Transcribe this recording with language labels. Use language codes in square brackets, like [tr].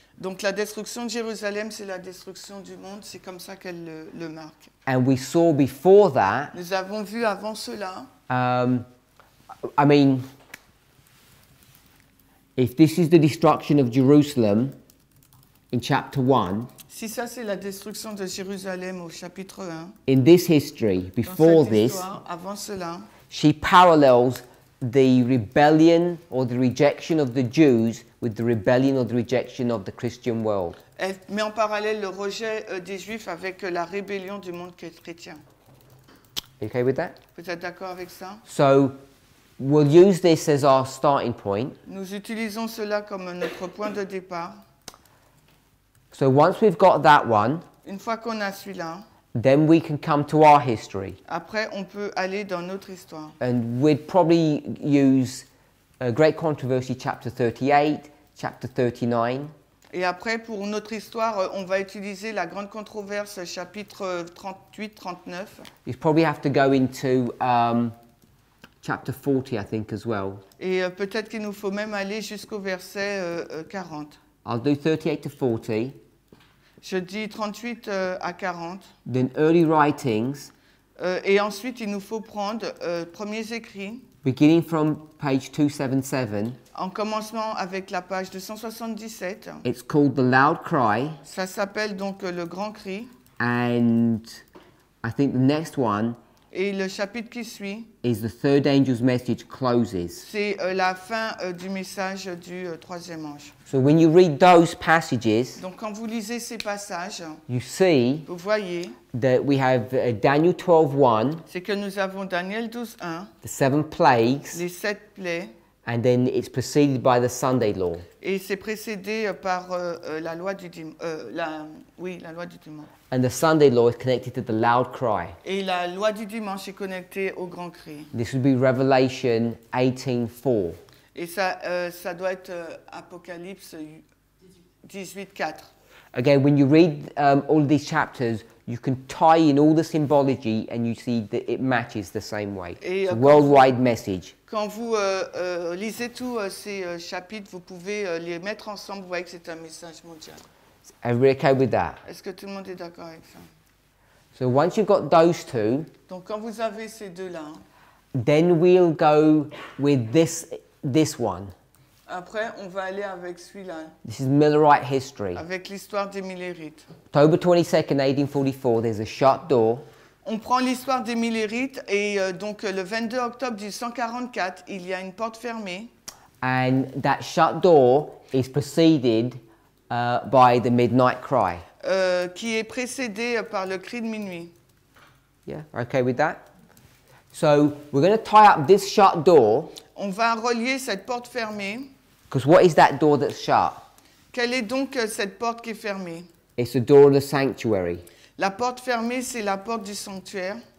[fr] Donc la destruction de Jérusalem, c'est la destruction du monde, c'est comme ça qu'elle le marque. [en] And we saw before that. [fr] Nous avons vu avant cela. [en] I mean, if this is the destruction of Jerusalem in chapter 1, [fr] si ça c'est la destruction de Jérusalem au chapitre 1, [en] in this history, before this, [fr] avant cela, [en] she parallels the rebellion or the rejection of the Jews with the rebellion or the rejection of the Christian world. [fr] Elle met en parallèle le rejet des Juifs avec la rébellion du monde chrétien. [en] Are you okay with that? [fr] Vous êtes d'accord avec ça? [en] So, we'll use this as our starting point. [fr] Nous utilisons cela comme notre point de départ. [en] So once we've got that one, [fr] une fois qu'on a celui-là, [en] then we can come to our history. [fr] Après, on peut aller dans notre histoire. [en] And we'd probably use Great Controversy chapter 38, chapter 39. [fr] Et après, pour notre histoire, on va utiliser la grande controverse chapitre 38, 39. [en] You'd probably have to go into chapter 40, I think, as well. [fr] Et peut-être qu'il nous faut même aller jusqu'au verset 40. [en] I'll do 38 to 40. [fr] Je dis 38 à 40. [en] Then early writings. [fr] Et ensuite, il nous faut prendre premiers écrits. [en] Beginning from page 277. [fr] En commencement avec la page 277. [en] It's called the loud cry. [fr] Ça s'appelle donc le grand cri. [en] And I think the next one. [fr] Et le chapitre qui suit. [en] Is the third angel's message closes. [fr] C'est la fin du message du troisième ange. [en] So when you read those passages. [fr] Donc quand vous lisez ces passages. [en] You see. [fr] Vous voyez. [en] That we have Daniel 12:1. [fr] C'est que nous avons Daniel 12:1. [en] The seven plagues. [fr] Les sept plaies. [en] And then it's preceded by the Sunday law. [fr] Et c'est précédé par la loi du la loi du dimanche. [en] And the Sunday law is connected to the loud cry. [fr] Et la loi du dimanche est connectée au grand cri. [en] This would be Revelation 18:4. [fr] Et ça ça doit être Apocalypse 18:4. [en] Again, when you read all these chapters, you can tie in all the symbology and you see that it matches the same way. [fr] Et, [en] it's a worldwide message. [fr] Quand vous lisez tous ces chapitres, vous pouvez les mettre ensemble, vous voyez que c'est un message mondial. [en] Everybody okay with that? [fr] Est-ce que tout le monde est d'accord avec ça? [en] So once you've got those two, [fr] donc quand vous avez ces deux-là, [en] then we'll go with this one. [fr] Après, on va aller avec celui-là. [en] This is Millerite history. [fr] Avec l'histoire des Millerites. [en] October 22nd, 1844, there's a shut door. [fr] On prend l'histoire des Millerites et donc le 22 octobre 1844, il y a une porte fermée. [en] And that shut door is preceded by the midnight cry. [fr] Qui est précédé par le cri de minuit. [en] Yeah, okay with that? So, we're going to tie up this shut door. [fr] On va relier cette porte fermée. [en] Because what is that door that's shut? [fr] Quelle est donc cette porte qui est fermée? [en] It's the door of the sanctuary. [fr] La porte fermée, c'est la porte du sanctuaire.